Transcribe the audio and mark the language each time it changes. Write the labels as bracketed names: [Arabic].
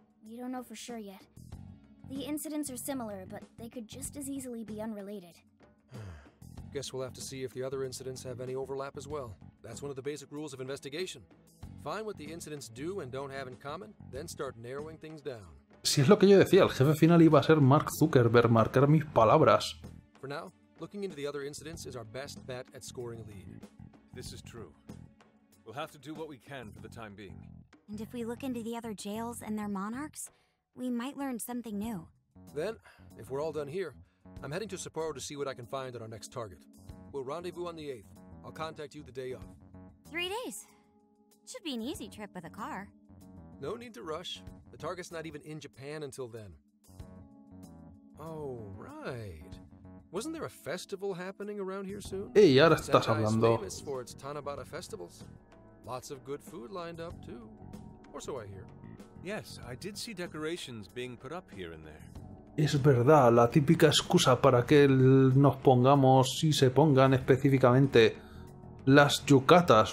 [English] We don't know for sure yet. The incidents are similar, but they could just as easily be unrelated. Guess we'll have to see if the other incidents have any overlap as well. That's one of the basic rules of investigation. Find what the incidents do and don't have in common, then start narrowing things down. [Spanish] Si es lo que yo decía, el jefe final iba a ser Mark Zuckerberg, marcar mis palabras. [English] For now, looking into the other incidents is our best bet at scoring a lead. This is true. We'll have to do what we can for the time being. And if we look into the other jails and their monarchs, we might learn something new. Then, if we're all done here, I'm heading to Sapporo to see what I can find on our next target. We'll rendezvous on the 8th. I'll contact you the day of. 3 days. Should be an easy trip with a car. No need to rush. The target's not even in Japan until then. Oh, right. Wasn't there a festival happening around here soon? [Spanish] Hey, ahora estás hablando. [English] Sentai's famous for its Tanabata festivals. Lots of good food lined up, too. Or so I hear. Yes, I did see decorations being put up here and there. [Spanish] Es verdad, la típica excusa para que nos pongamos y se pongan específicamente las yucatas.